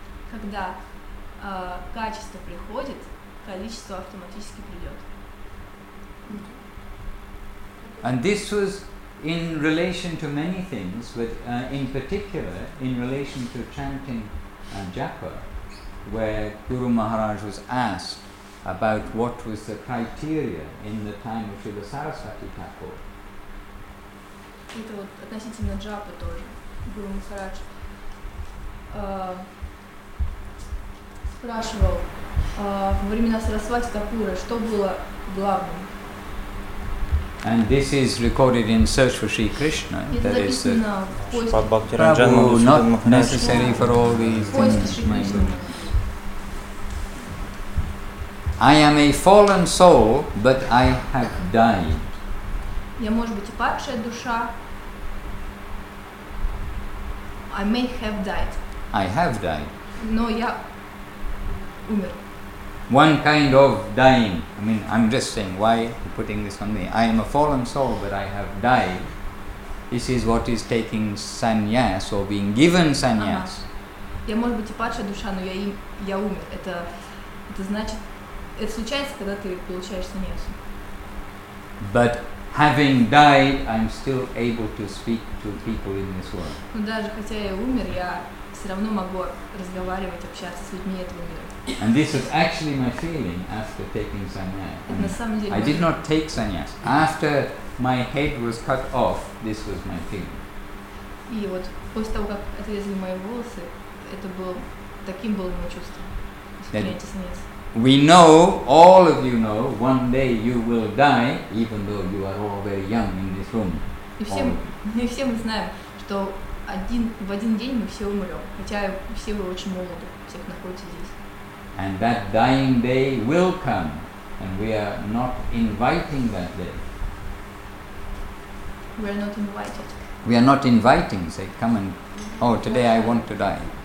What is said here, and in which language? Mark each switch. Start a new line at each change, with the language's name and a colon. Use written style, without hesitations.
Russian: Когда качество приходит, количество автоматически придет.
English: And this was in relation to many things, but in particular in relation to chanting japa, where Guru Maharaj was asked about what was the criteria in the time of Srila Saraswati Thakur.
Russian: Это вот относительно джапы тоже. Гуру Махарадж спрашивал во времена Сарасвати Такура, что было главным.
English: And this is recorded in Search for Sri Krishna. That is the Prabhu, not necessary for all these things. I am a fallen soul, but I have died.
Russian: Я может быть и падшая душа.
English: I may have died. I have died.
Russian: Но я умер.
English: One kind of dying. I mean, I'm just saying, why are you putting this on me? I am a fallen soul, but I have died. This is what is taking sannyas or being given sannyas.
Russian: Я может быть и падшая душа, но я умер. Это значит. Это случается, когда ты получаешь саньясу.
English: But having died, I'm still able to speak to people in this world.
Russian: Но даже хотя я умер, я все равно могу разговаривать, общаться с людьми этого мира.
English: And this was actually my feeling after taking sannyas.
Russian: На самом деле.
English: I did not take sannyas. After my head was cut off, this was my feeling.
Russian: И вот после того, как отрезали мои волосы, это было таким было мое чувство. Принятие саньяс.
English: We know, all of you know, one day you will die, even though you are all very young in this room.
Russian: И все мы знаем, что в один день мы все умрем, хотя все вы очень молоды, все находитесь здесь.
English: And that dying day will come, and we are not inviting that day. We are not invited. We are not inviting, say, come and, oh, today I want to die.